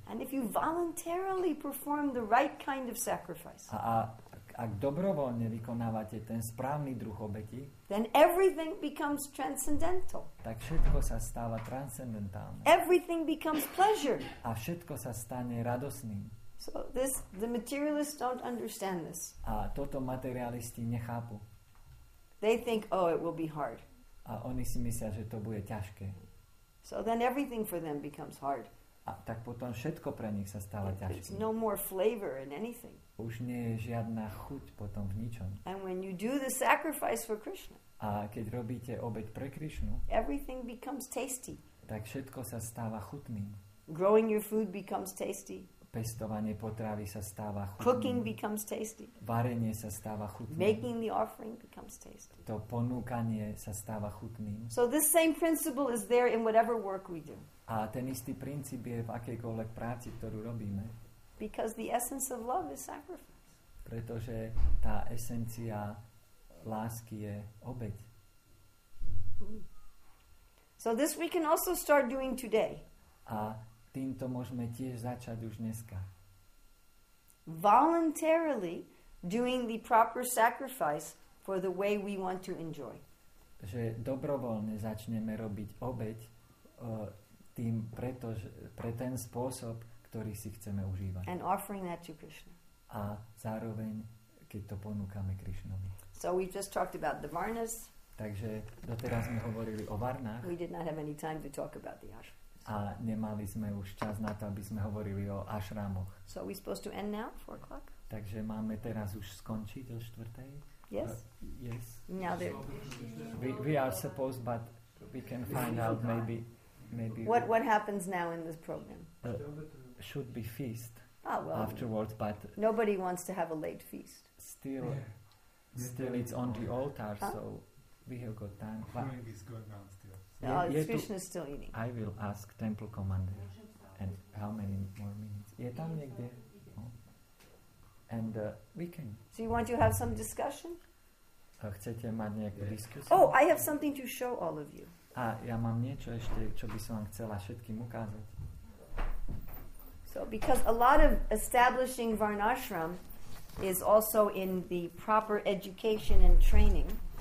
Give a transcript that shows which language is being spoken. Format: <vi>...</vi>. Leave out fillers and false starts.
<en>And if you voluntarily perform the right kind of sacrifice.</en> <sk>Ak dobrovoľne vykonávate ten správny druh obeti,</sk> <en>then everything becomes transcendental.</en> <sk>Tak všetko sa stáva transcendentálne.</sk> <en>Everything becomes pleasure.</en> <sk>A všetko sa stane radosným.</sk> <en>So this, the materialists don't understand this.</en> <sk>A toto materialisti nechápu.</sk> <en>They think, oh, it will be hard.</en> <sk>A oni si myslia, že to bude ťažké.</sk> <en>So then everything for them becomes hard.</en> <sk>A tak potom všetko pre nich sa stáva ťažké.</sk> <en>There's no more flavor in anything.</en> <sk>Už nie je žiadna chuť potom v ničom.</sk> <en>And when you do the sacrifice for Krishna,</en> <sk>a keď robíte obeť pre Krishnu,</sk> <en>everything becomes tasty.</en> <sk>Tak všetko sa stáva chutným.</sk> <en>Growing your food becomes tasty.</en> <sk>Pestovanie potravy sa stáva chutným.</sk> <en>Cooking becomes tasty.</en> <sk>Varenie sa stáva chutným.</sk> <en>Making the offering becomes tasty.</en> <sk>To ponúkanie sa stáva chutným.</sk> <en>So this same principle is there in whatever work we do.</en> <sk>A ten istý princíp je v akejkoľvek práci, ktorú robíme.</sk> <en>Because the essence of love is sacrifice.</en> <sk>Pretože tá esencia lásky je obeť.</sk> <en>So this we can also start doing today.</en> <sk>A týmto môžeme tiež začať už dneska.</sk> <en>Voluntarily doing the proper sacrifice for the way we want to enjoy.</en> <sk>Že dobrovoľne začneme robiť obeť tým pre ten spôsob, ktorý si chceme užívať.</sk> <en>And offering that to Krishna.</en> <sk>A zároveň, keď to ponúkame Krishnovi.</sk> <en>So we just talked about the varnas.</en> <sk>Takže doteraz sme hovorili o varnách.</sk> <en>We did not have any time to talk about the ashrams.</en> <sk>A nemali sme už čas na to, aby sme hovorili o ashramoch.</sk> <en>So are we supposed to end now, 4 o'clock?</en> <sk>Takže máme teraz už skončiť o 4?</sk> <en>Yes. Yes. Now there. We are supposed, but we can find out maybe. What happens now in this program? Should be feast well, afterwards, but nobody wants to have a late feast. Still, yeah. Still, it's on the altar, huh? So we have got time. But food is good now still. Krishna is still eating. I will ask temple commander, and how many more minutes?</en> <sk>Je tam niekde?</sk> <en>And we can. So you want to have some discussion?</en> <sk>Chcete mať nejakú diskusiu?</sk> <en>Oh, I have something to show all of you.</en> <sk>A ja mám niečo ešte, čo by som vám chcela všetkým ukázať.</sk> <en>So because a lot of establishing varnashram is also in the proper education and training.</en>